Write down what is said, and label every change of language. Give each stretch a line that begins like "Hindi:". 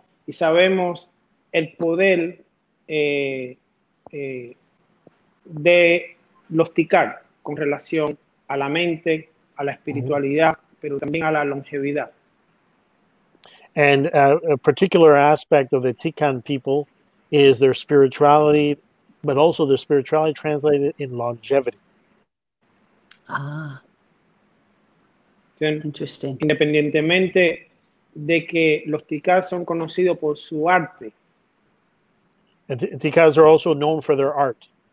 Spanish: Sabemos el poder de los Tikar con relación a la mente, a la espiritualidad, mm-hmm. pero también a la longevidad.
English: And a particular aspect of the Tikan people is their spirituality, but also their spirituality translated in longevity. Ah. Then, interesting.
Spanish: Independientemente de que los Tikar son conocidos por su arte,
English: and Tikas are also known for their art.